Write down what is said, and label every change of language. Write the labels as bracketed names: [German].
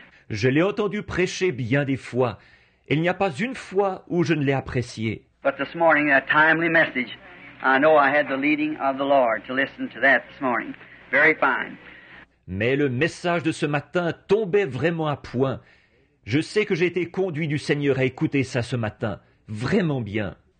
[French] Je l'ai entendu prêcher bien des fois. Il n'y a pas une fois où je ne l'ai apprécié. [English] But this morning, a timely message. I know I had the leading of the Lord to listen to that this morning. Very fine. [French] Mais le message de ce matin tombait vraiment à point. Je sais que j'ai été conduit du Seigneur à écouter ça ce matin. Vraiment bien.